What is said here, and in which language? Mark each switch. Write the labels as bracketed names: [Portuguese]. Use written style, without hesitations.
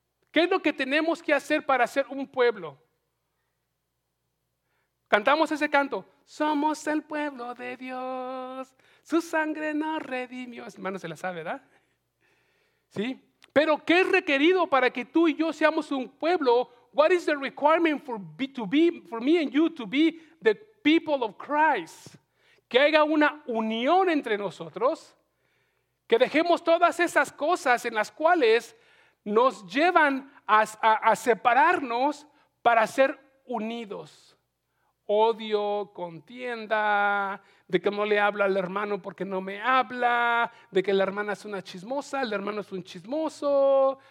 [Spanish] ¿Qué es lo que tenemos que hacer para ser un pueblo? Cantamos ese canto. Somos el pueblo de Dios. Su sangre nos redimió. Hermano, se la sabe, ¿verdad? ¿Sí? Pero ¿qué es requerido para que tú y yo seamos un pueblo? [English] What is the requirement for me and you to be the people of Christ? [Spanish] Que haya una unión entre nosotros. Que dejemos todas esas cosas en las cuales nos llevan a separarnos para ser unidos. Odio, contienda, de que no le hablo al hermano porque no me habla, de que la hermana es una chismosa, el hermano es un chismoso.